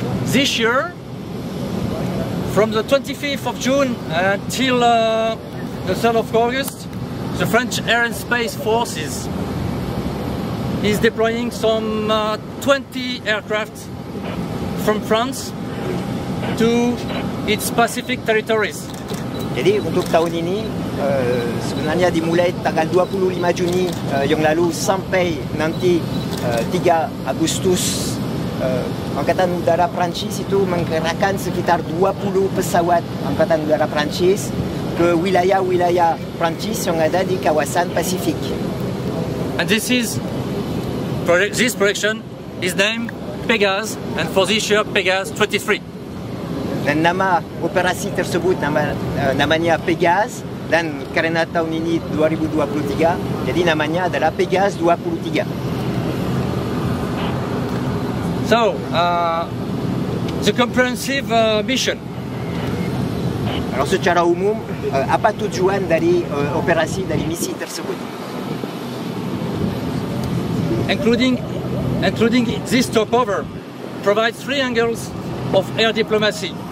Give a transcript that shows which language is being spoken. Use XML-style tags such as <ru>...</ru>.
<en>This year, from the 25th of June until the 3rd of August, the French Air and Space Forces is deploying some 20 aircraft from France to its Pacific territories.</en> <id>Jadi untuk tahun ini sebenarnya dimulai tanggal 25 Juni yang lalu sampai nanti 3 Agustus angkatan udara Perancis itu menggerakkan sekitar 20 pesawat angkatan udara Perancis ke wilayah-wilayah Perancis yang ada di kawasan Pasifik.</id> <en>And this is this projection is named Pegase, and for this year, Pegase 23.</en> <id>Dan nama operasi tersebut namanya Pegase, dan karena tahun ini 2023, jadi namanya adalah Pegase 23.</id> <en>So, the comprehensive mission.</en> <id>Alors secara umum, apa tujuan dari operasi dari misi tersebut?</id> <en>Including this stopover, provides three angles of air diplomacy.</en>